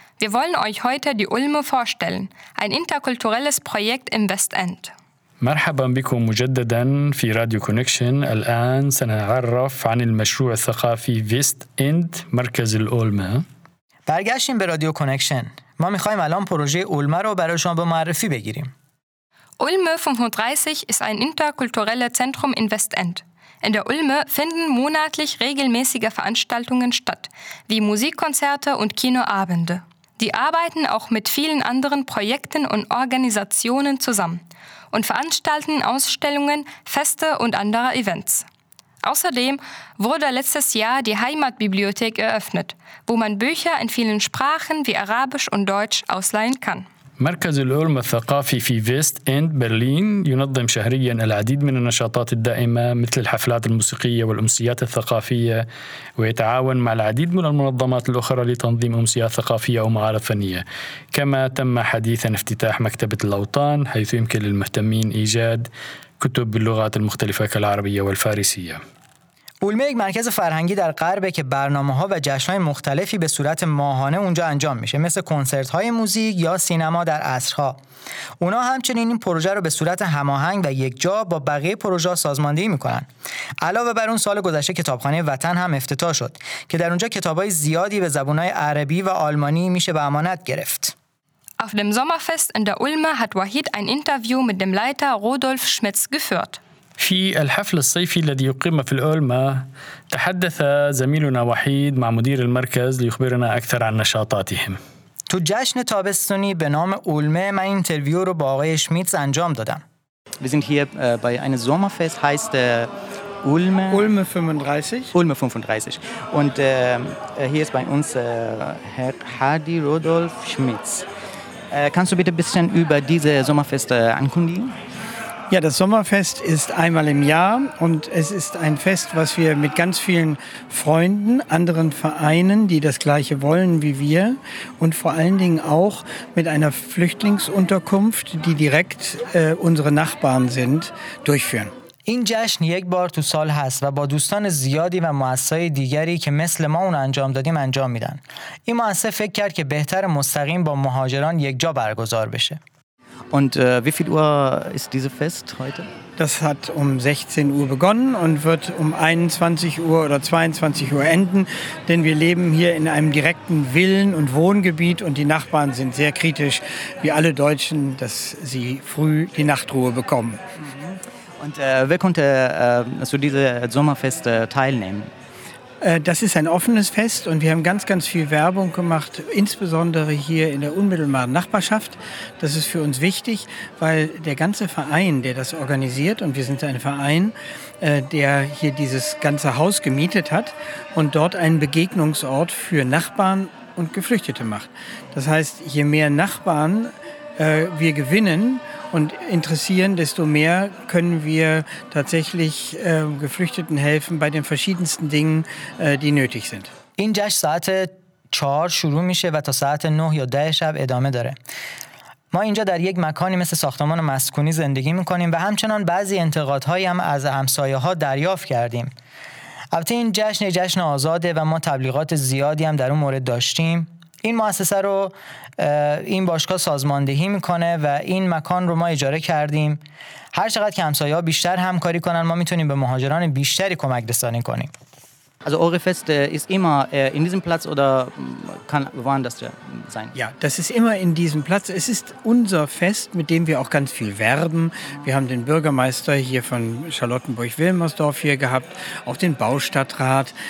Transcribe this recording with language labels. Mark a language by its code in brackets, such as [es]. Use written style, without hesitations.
[de] Wir wollen euch heute die Ulme vorstellen, ein interkulturelles Projekt im West End. [ar] مرحبا بكم مجددا في راديو كونكشن. الآن سنعرف عن المشروع الثقافي فيست إند مركز الأولما. [fa] برگشتیم به رادیو کنکشن. ما میخواییم الان پروژه اولما رو برای شما به معرفی بگیریم. [de] اولما 35 ist ein interkulturelles Zentrum in Westend. In der Ulme finden monatlich regelmäßige Veranstaltungen statt, wie Musikkonzerte und Kinoabende. Die arbeiten auch mit vielen anderen Projekten und Organisationen zusammen und veranstalten Ausstellungen, Feste und andere Events. Außerdem wurde letztes Jahr die Heimatbibliothek eröffnet, wo man Bücher in vielen Sprachen wie Arabisch und Deutsch ausleihen kann. [ar] مركز الأولما الثقافي في فيست إند برلين ينظم شهرياً العديد من النشاطات الدائمة مثل الحفلات الموسيقية والأمسيات الثقافية ويتعاون مع العديد من المنظمات الأخرى لتنظيم أمسيات ثقافية ومعارض فنية كما تم حديثاً افتتاح مكتبة الأوطان حيث يمكن للمهتمين إيجاد كتب باللغات المختلفة كالعربية والفارسية [fa] أولما يك مركز فرهنگي در غربه که برنامه‌ها و جشن‌های مختلفی به صورت ماهانه اونجا انجام میشه مثل کنسرت‌های موزیک یا سینما در عصرها. اونا همچنین این پروژه رو به صورت هماهنگ و یک جا با بقیه پروژه سازماندهی میکنن. علاوه بر اون سال گذشته کتابخانه وطن هم افتتاح شد که در اونجا کتاب‌های زیادی به زبان‌های عربی و آلمانی میشه به امانت گرفت. [de] Auf dem Sommerfest in der Ulme hat Wahid ein Interview mit dem Leiter Rudolf Schmitz geführt. [ar] في الحفل الصيفي الذي يقيم في الأولما تحدث زميلنا وحيد مع مدير المركز ليخبرنا أكثر عن نشاطاتهم. [fa] تو جشن تابستوني بنام أولما ما انترفيو رو باقي شميتز انجام دادم. [de] Wir sind hier bei einem Sommerfest, heißt Ulme. Ulme 35. Ulme 35. Und hier ist bei uns Herr Hadi Rudolf Schmitz. Kannst du bitte ein bisschen über diese Sommerfest ankündigen? Ja, das Sommerfest ist einmal im Jahr und es ist ein Fest, was wir mit ganz vielen Freunden, anderen Vereinen, die das Gleiche wollen wie wir und vor allen Dingen auch mit einer Flüchtlingsunterkunft, die direkt unsere Nachbarn sind, durchführen. [fa] این جشن یک بار تو سال هست و با دوستان زیادی و مؤسسه‌های دیگری که مثل ما اون انجام دادیم انجام میدن. این مؤسسه فکر کرد که بهتر مستقیم با مهاجران یک جا برگزار بشه. [de] Und wie viel Uhr ist dieses Fest heute? Das hat um 16 Uhr begonnen und wird um 21 Uhr oder 22 Uhr enden, denn wir leben hier in einem direkten Villen- und Wohngebiet und die Nachbarn sind sehr kritisch, wie alle Deutschen, dass sie früh die Nachtruhe bekommen. Und wer konnte zu diesem Sommerfest teilnehmen? Das ist ein offenes Fest und wir haben ganz, ganz viel Werbung gemacht, insbesondere hier in der unmittelbaren Nachbarschaft. Das ist für uns wichtig, weil der ganze Verein, der das organisiert, und wir sind ein Verein, der hier dieses ganze Haus gemietet hat und dort einen Begegnungsort für Nachbarn und Geflüchtete macht. Das heißt, je mehr Nachbarn wir gewinnen und interessieren, desto mehr können wir tatsächlich Geflüchteten helfen bei den verschiedensten Dingen, die nötig sind. [fa] این جشن ساعت 4 شروع میشه و تا ساعت 9 یا 10 شب ادامه داره. ما اینجا در یک مکانی مثل ساختمان مسکونی زندگی میکنیم و همچنان بعضی انتقادهایی هم از همسایه‌ها دریافت کردیم. البته این جشن جشن آزاده و ما تبلیغات زیادی هم در اون مورد داشتیم. این مؤسسه رو این باشگاه سازماندهی میکنه و این مکان رو ما اجاره کردیم. هر چقدر که همسایه‌ها بیشتر همکاری کنن ما میتونیم به مهاجران بیشتری کمک رسانی کنیم. [de] Also eure Fest ist immer in diesem Platz oder kann woanders sein? Ja, das ist immer in diesem Platz. Es ist unser Fest, mit dem wir auch ganz viel werben. Wir haben den Bürgermeister hier von Charlottenburg-Wilmersdorf hier gehabt, auch den Baustadtrat.